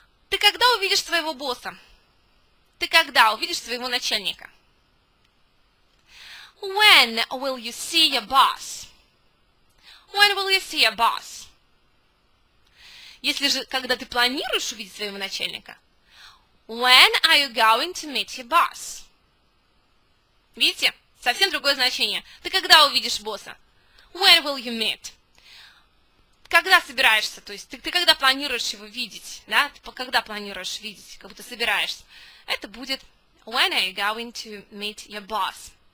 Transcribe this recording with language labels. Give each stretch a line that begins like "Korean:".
Russian: Ты когда увидишь своего босса? Ты когда увидишь своего начальника?
English: When will you see your boss? When will you see your boss?
Russian: Если же, когда ты планируешь увидеть своего начальника?
English: When are you going to meet your boss?
Russian: Видите? Совсем другое значение. Ты когда увидишь босса?
English: When will you meet?
Russian: Когда собираешься, то есть ты когда планируешь его видеть, да, когда планируешь видеть, как будто собираешься, это будет
English: «When are you going to meet your boss?»